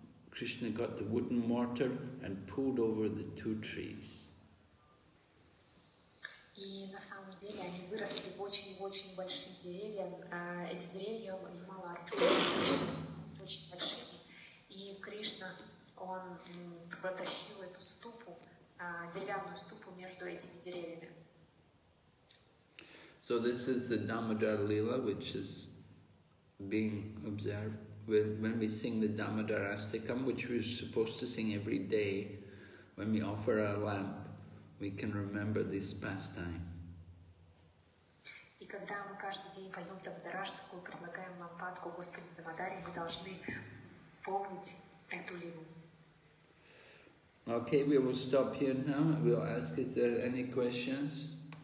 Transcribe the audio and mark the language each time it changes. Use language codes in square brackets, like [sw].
[en] Krishna got the wooden mortar and pulled over the two trees. [ru] И на самом деле они выросли в очень-очень большие деревья. Эти деревья Ямала Арджуны очень большие. И Кришна, он протащил эту ступу, деревянную ступу между этими деревьями. [en] So this is the Damodar Lila, which is being observed when we sing the Damodar Astikam, which we're supposed to sing every day when we offer our lamp. We can remember this pastime. [ru] И когда мы каждый день поем Дамодараштику и предлагаем лампадку Господи Дамодаре, мы должны помнить эту лилу. [en] Okay, we will stop here now. We'll ask, is there any questions?